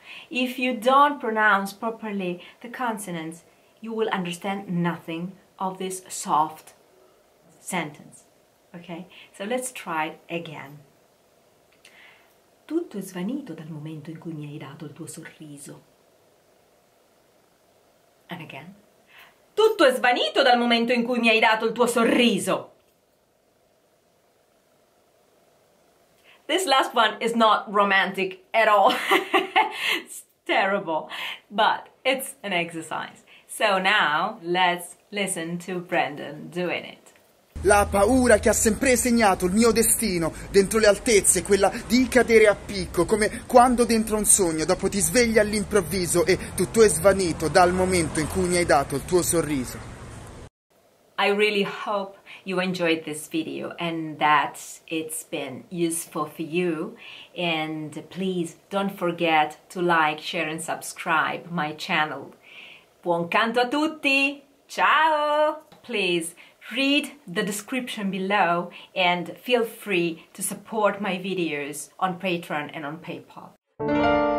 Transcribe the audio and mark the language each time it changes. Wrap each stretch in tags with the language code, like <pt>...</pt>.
<en>If you don't pronounce properly the consonants, you will understand nothing of this soft sentence. Okay? So let's try it again.</en> <it>Tutto è svanito dal momento in cui mi hai dato il tuo sorriso.</it> <en>And again.</en> <it>Tutto è svanito dal momento in cui mi hai dato il tuo sorriso.</it> <en>This last one is not romantic at all. It's terrible, but it's an exercise. So now let's listen to Brandon doing it.</en> <it>La paura che ha sempre segnato il mio destino dentro le altezze, quella di cadere a picco, come quando dentro un sogno dopo ti svegli all'improvviso e tutto è svanito dal momento in cui mi hai dato il tuo sorriso.</it> <en>I really hope you enjoyed this video and that it's been useful for you. And please don't forget to like, share and subscribe my channel.</en> <it>Buon canto a tutti! Ciao!</it> <en>Please read the description below and feel free to support my videos on Patreon and on PayPal.</en>